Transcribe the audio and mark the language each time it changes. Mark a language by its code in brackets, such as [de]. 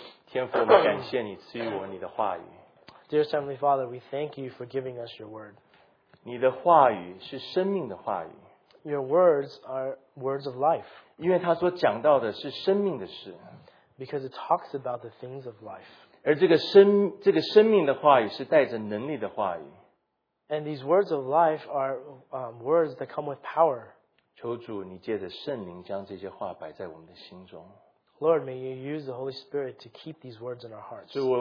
[zh] 天父, 我们感谢你赐予我你的话语。 [en] Dear Heavenly Father, we thank you for giving us your word. [zh] 你的话语是生命的话语。 [en] Your words are words of life. [zh] 因为他所讲到的是生命的事。 [en] Because it talks about the things of life. [zh] 而这个生命的话语是带着能力的话语。 [en] And these words of life are words that come with power. [zh] 求主你借着圣灵将这些话摆在我们的心中。 [en] Lord, may you use the Holy Spirit to keep these words in our hearts.